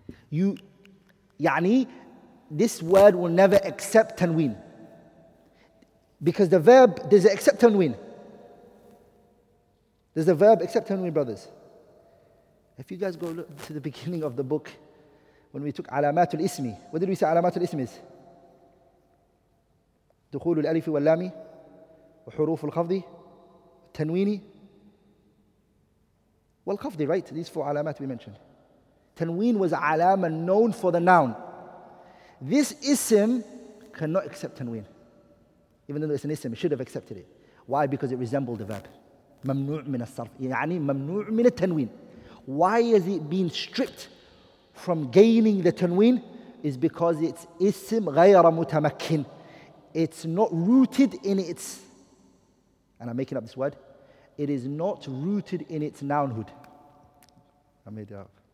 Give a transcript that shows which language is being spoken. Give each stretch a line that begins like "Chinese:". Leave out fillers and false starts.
English: You, يعني, this word will never accept tanween. Because the verb, does it accept tanween? Does the verb accept tanween, brothers? If you guys go look to the beginning of the book, when we took alamatul ismi, what did we say alamatul ismi is?
Arabic: دخول الألف واللام وحروف الخفض التنوين والخفض,
English: right? These four alamat we mentioned. Tanween was alama known for the noun. This ism cannot accept tanween. Even though it's an ism, it should have accepted it. Why? Because it resembled the verb.
Arabic: ممنوع من الصرف يعني ممنوع من التنوين.
English: Why is it being stripped from gaining the tanween? Is because it's ism
Arabic: غير متمكن.
English: It's not rooted in its, and I'm making up this word, it is not rooted in its nounhood. I made it up.